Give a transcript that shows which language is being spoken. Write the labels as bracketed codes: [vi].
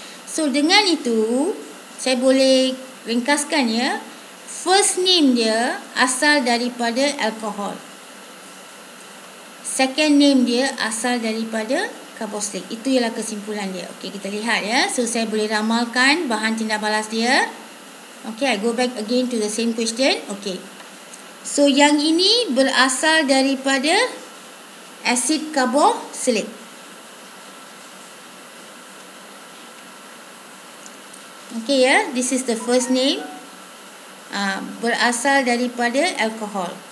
[ms] So dengan itu saya boleh ringkaskan ya, first name dia asal daripada alkohol, second name dia asal daripada carboxylic. Itu ialah kesimpulan dia. Okey, kita lihat ya. So saya boleh ramalkan bahan tindak balas dia. [en] Okey, I go back again to the same question. [ms] Okey, so yang ini berasal daripada asid carboxylic. [en] Okay ya, this is the first name. [ms] Berasal daripada alkohol.